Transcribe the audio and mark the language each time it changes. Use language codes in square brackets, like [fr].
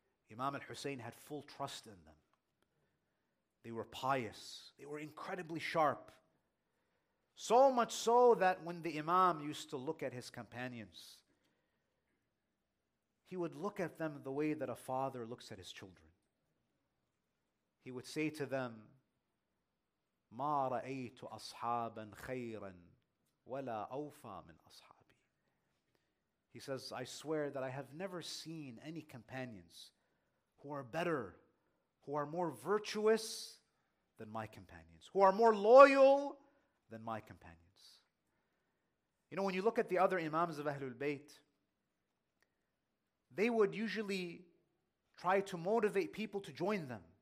[en] Imam al-Husayn had full trust in them. They were pious. They were incredibly sharp. So much so that when the Imam used to look at his companions, he would look at them the way that a father looks at his children. He would say to them, [ar] مَا رَأَيْتُ أَصْحَابًا خَيْرًا وَلَا أَوْفَى مِنْ أَصْحَابِي. [en] He says, I swear that I have never seen any companions who are better, who are more virtuous than my companions, who are more loyal than my companions. You know, when you look at the other Imams of Ahlul Bayt, they would usually try to motivate people to join them.